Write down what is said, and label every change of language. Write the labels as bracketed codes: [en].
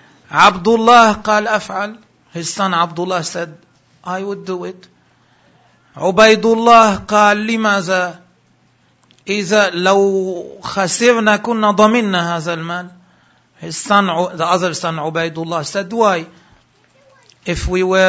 [ar] Abdullah قال أفعل. [en] His son Abdullah said, I would do it. [ar] عبيد الله قال لماذا؟ إذا لو خسرنا كنا ضمننا هذا المال. [en] His son, the other son عبيد الله said, why? If we